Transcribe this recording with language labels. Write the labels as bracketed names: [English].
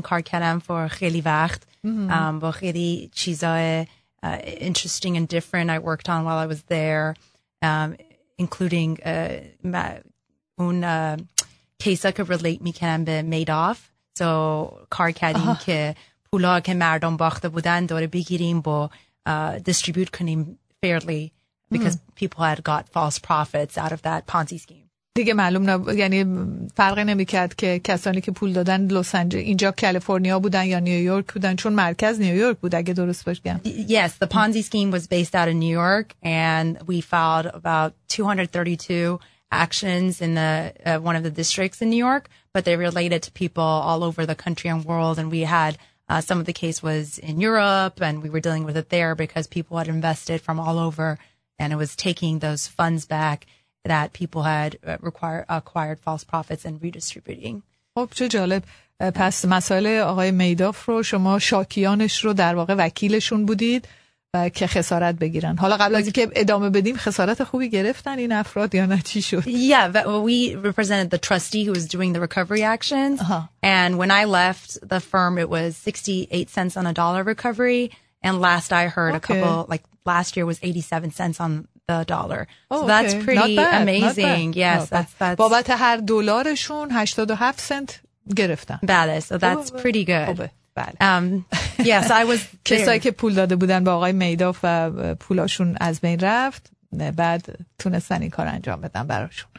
[Persian] کار کردم فور خیلی وقت با خیلی چیزای [English] interesting and different I worked on while I was there including [Persian] اون کیسا که ریلیت میکنم به میداف، سو کار کردیم که پولا که مردم باخته بودن دوره بگیریم با دیستریبیوت کنیم فیرلی [English] because people had got false profits out of that Ponzi scheme. [Persian] دیگه معلوم نبود، یعنی فرقی نمیکرد که کسانی که پول دادن لس آنجلس اینجا کالیفرنیا بودن یا نیویورک بودن، چون مرکز نیویورک بود اگه درست باشم. [English] Yes, the Ponzi scheme was based out of New York and we filed about 232 actions in the one of the districts in New York, but they related to people all over the country and world. And we had some of the case was in Europe, and we were dealing with it there because people had invested from all over, and it was taking those funds back that people had acquired false profits and redistributing. [Persian] خب چه جالب. پس مسئله آقای میداف رو شما شاکیانش رو در واقع وکیلشون بودید و که خسارت بگیرن. حالا قبل از اینکه ادامه بدیم، خسارت خوبی گرفتن این افراد یا نه، چی شد؟ [English] Yeah, we represented the trustee who was doing the recovery actions. And when I left the firm, it was 68 cents on a dollar recovery. And last I heard, a couple, like last year was 87 cents on the dollar. So that's pretty amazing. Yes, that's [Persian] بابت هر دلارشون 87 سنت گرفتن. [English] بله, so that's pretty good. Yes, I was [Persian] کسایی که پول داده بودن به آقای میداف و پولاشون از بین رفت، بعد تونستن این کار انجام بدن براشون.